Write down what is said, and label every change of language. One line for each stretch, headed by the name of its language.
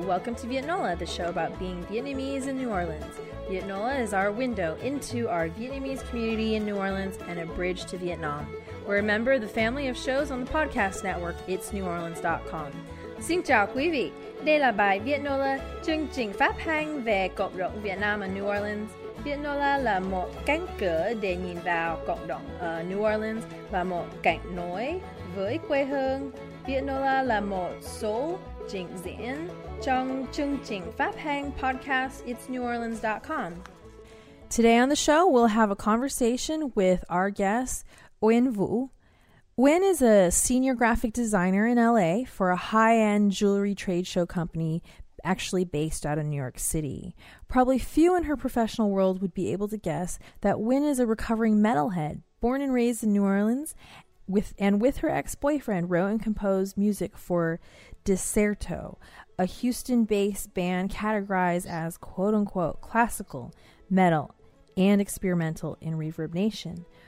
English: Welcome to Vietnola, the show about being Vietnamese in New Orleans. Vietnola is our window into our Vietnamese community in New Orleans and a bridge to Vietnam. We're a member of the family of shows on the podcast network, itsneworleans.com.
Vietnamese: Xin chào quý vị. Đây là bài Vietnola chương trình phát hành về cộng đồng Việt Nam ở New Orleans. Vietnola là một cánh cửa để nhìn vào cộng đồng ở New Orleans và một cạnh nối với quê hương. Vietnola là một số trình diễn trong chương trình phát hành podcast itsneworleans.com.
English: Today on the show, we'll have a conversation with our guest, Nguyen Vu. Nguyen is a senior graphic designer in LA for a high-end jewelry trade show company actually based out of New York City. Probably few in her professional world would be able to guess that Nguyen is a recovering metalhead, born and raised in New Orleans, with her ex-boyfriend, wrote and composed music for Deserto, a Houston-based band categorized as quote-unquote classical, metal, and experimental in Reverb Nation.